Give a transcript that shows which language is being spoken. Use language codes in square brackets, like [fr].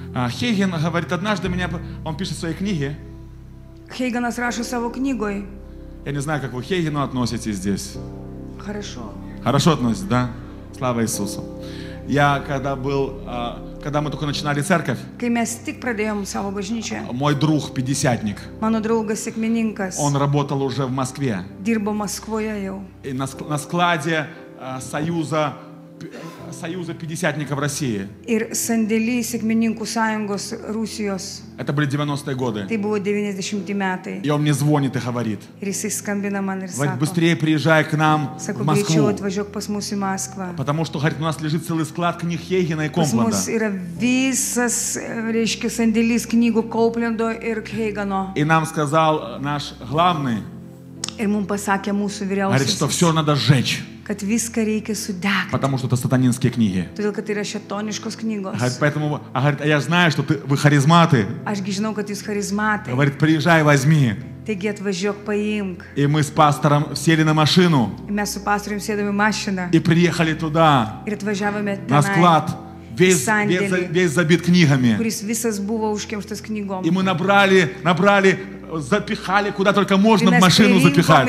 [ru] Хейген говорит однажды меня, он пишет в своей книге. [lt] Хейгенas rašo savo knygoj. [ru] Я не знаю, как вы к Хейгену относитесь здесь. Хорошо. Хорошо относитесь, да? Слава Иисусу. Я когда был, когда мы только начинали церковь, [lt] kai mes tik pradėjom savo bažnyčią, [ru] мой друг, пятидесятник, [lt] mano draugas, sekmininkas, [ru] он работал уже в Москве. [lt] Dirbo Maskvoje jau. [ru] И на складе Союза пятидесятников России. [lt] Ir sandėly sekmininkų sąjungos Rusijos. [ru] Это были 90-е годы. [lt] Tai buvo 90-ti metai. [ru] И он мне звонит и говорит. [lt] Ir jisai skambina man ir sako. [ru] Говорит, быстрее приезжай к нам [lt] sako, [ru] в Москву. [lt] Greičiau atvažiuok pas mus į Maskvą. [ru] Потому что, говорит, у нас лежит целый склад книг Хейгена и Компленда. [lt] Pas mus yra visas, reiškia, sandėlys knygų Kauplendo ir Хейгено. [ru] И нам сказал наш главный. [lt] Ir mum pasakė mūsų vyriausias. [ru] Говорит, что все надо сжечь. [lt] Kad viską reikia sudegti. [ru] Потому что это сатанинские книги. [lt] Todėl, kad yra šetoniškos knygos. [ru] Говорит, поэтому, говорит, я знаю, что вы харизматы. [lt] Aš gi žinau, kad jūs харизматы. [ru] Говорит, приезжай, возьми. [lt] Taigi atvažiuok, paimk. [ru] И мы с пастором сели на машину. [lt] И mes su pastorium sėdome į mašiną. [ru] И приехали туда. [lt] Ir atvažiavome [ru] на склад. Весь забит книгами. [lt] Kuris visas buvo užkimštas knygom. [ru] И мы набрали запихали, куда только можно в машину запихать.